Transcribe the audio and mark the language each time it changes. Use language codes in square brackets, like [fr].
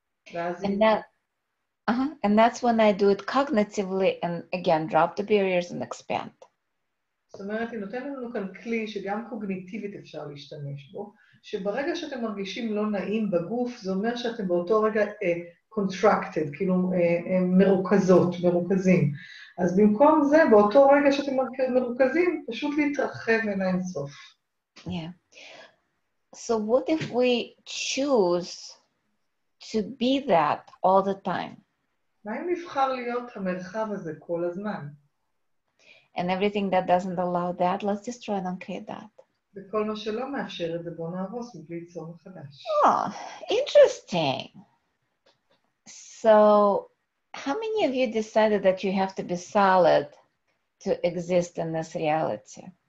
[en] And that's when I do it cognitively and again, drop the barriers and expand. [he] זאת אומרת, היא נותנת לנו כאן כלי שגם קוגניטיבית אפשר להשתמש בו, שברגע שאתם מרגישים לא נעים בגוף, זה אומר שאתם באותו רגע contracted, כאילו מרוכזות, מרוכזים. אז במקום זה, באותו רגע שאתם מרוכזים, פשוט להתרחב אין אינסוף. [en] Yeah. So what if we choose to be that all the time? [he] מה אם נבחר להיות המרחב הזה כל הזמן? [en] And everything that doesn't allow that, let's destroy and uncreate that. Oh, interesting. So how many of you decided that you have to be solid to exist in this reality?